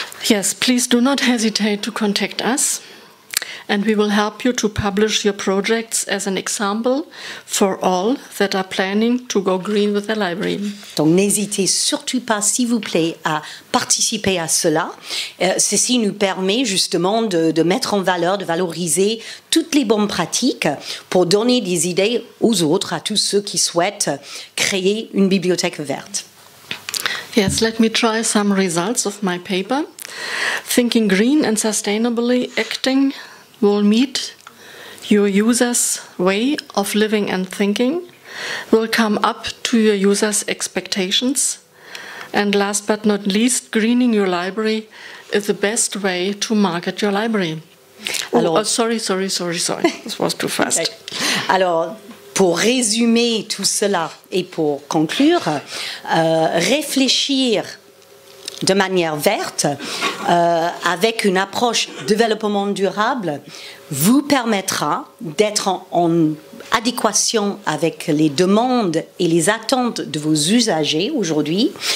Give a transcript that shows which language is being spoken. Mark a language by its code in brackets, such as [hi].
[en] Yes, please do not hesitate to contact us and we will help you to publish your projects as an example for all that are planning to go green with their library. [fr] Donc n'hésitez surtout pas, s'il vous plaît, à participer à cela. Ceci nous permet justement de mettre en valeur, de valoriser toutes les bonnes pratiques pour donner des idées aux autres, à tous ceux qui souhaitent créer une bibliothèque verte. [en] Yes, let me try some results of my paper. Thinking green and sustainably acting will meet your user's way of living and thinking, will come up to your user's expectations, and last but not least, greening your library is the best way to market your library. Sorry, this was too fast. [fr] Alors, pour résumer tout cela et pour conclure, réfléchir de manière verte, avec une approche développement durable, vous permettra d'être en adéquation avec les demandes et les attentes de vos usagers aujourd'hui.